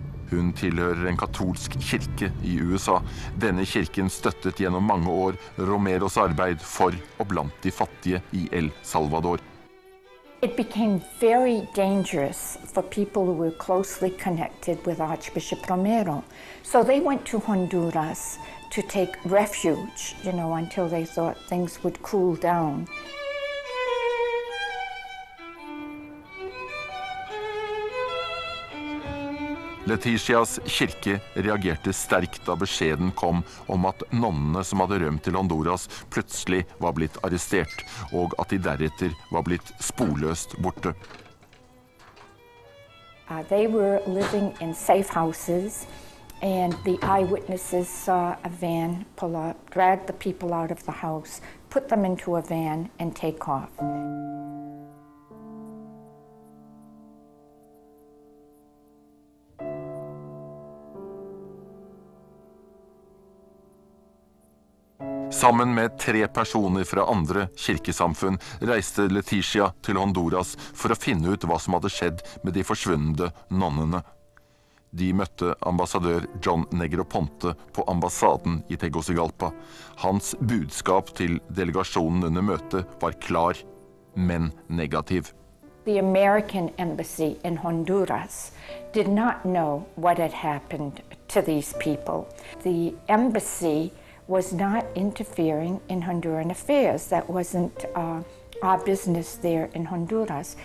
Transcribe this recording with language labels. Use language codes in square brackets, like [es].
[no] Hun tilhører en katolsk kirke i USA. Denne kirken støttet gjennom mange år Romeros arbeid for og blant de fattige i El Salvador. [en] It became very dangerous for people who were closely connected with Archbishop Romero. So they went to Honduras to take refuge, you know, until they thought things would cool down. [no] Leticias kirke reagerte sterkt da beskjeden kom om at nonnene som hadde rømt til Honduras plutselig var blitt arrestert, og at de deretter var blitt sporløst borte. [en] They were living in safe houses, and the eyewitnesses saw a van pull up, drag the people out of the house, put them into a van, and take off. [no] Sammen med tre personer fra andre kirkesamfunn reiste Leticia til Honduras for å finne ut hva som hadde skjedd med de forsvunne nonnene. De møtte ambassadør John Negroponte på ambassaden i Tegucigalpa. Hans budskap til delegasjonen under møtet var klar, men negativ. [en] The American embassy in Honduras did not know what had happened to these people. The embassy was not interfering in Honduran affairs. That wasn't our business there in Honduras.